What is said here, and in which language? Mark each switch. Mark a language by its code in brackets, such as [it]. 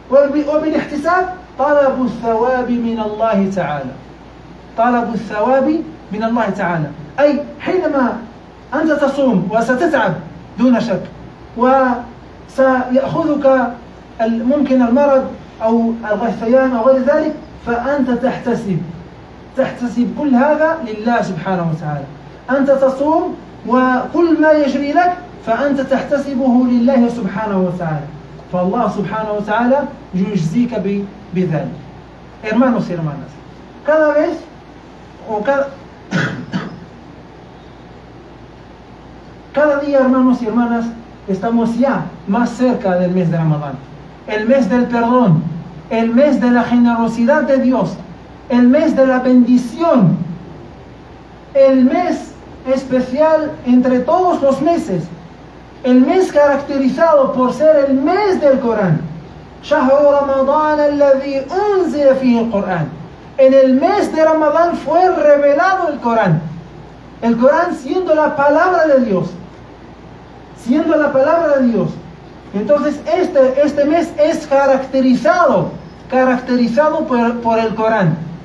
[ar] وبالاحتساب طلب الثواب من الله تعالى، طلب الثواب من الله تعالى، أي حينما أنت تصوم وستتعب دون شك، وسيأخذك ممكن المرض أو الغثيان أو غير ذلك، فأنت تحتسب كل هذا لله سبحانه وتعالى. أنت تصوم وكل ما يجري لك فأنت تحتسبه لله سبحانه وتعالى، فالله سبحانه وتعالى يجزيك بذلك. إرمانوس إرمانوس كذا بيش [es] Cada día, hermanos y hermanas, estamos ya más cerca del mes de Ramadán, el mes del perdón, el mes de la generosidad de Dios, el mes de la bendición, el mes especial entre todos los meses, el mes caracterizado por ser el mes del Corán. [ar] شهر رمضان الذي أنزل فيه القرآن. [es] En el mes de Ramadán fue revelado el Corán. El Corán siendo la palabra de Dios. Siendo la palabra de Dios. Entonces este mes es caracterizado por el Corán.